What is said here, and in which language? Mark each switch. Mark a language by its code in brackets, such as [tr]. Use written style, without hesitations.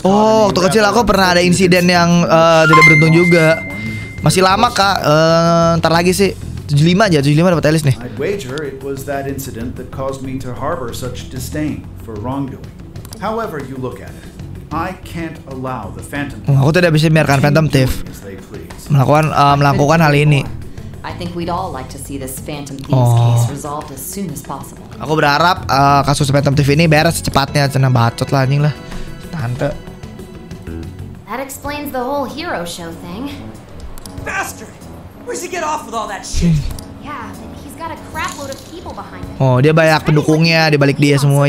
[en] caught in a rather... [id] Oh, waktu kecil aku pernah ada insiden yang tidak beruntung juga. Masih lama kak, ntar lagi sih 75 aja, 75 dapat Alice nih. [en] I'd wager it was that incident that caused me to harbor such disdain for wrongdoing. However you look at it, I can't allow the Phantom Thief. [id] Aku tidak bisa biarkan Phantom Thief melakukan hal ini. [en] I think we'd all like to see this Phantom Thief case resolved as soon as possible. [id] Aku berharap kasus Phantom Thief ini beres secepatnya. Senang bacot lah anjing lah tante. [en] That explains the whole hero show thing. Bastard! Where's he get off with all that shit? Yeah, he's got a crap load of people behind him. [id] Oh, dia banyak pendukungnya di balik dia semua.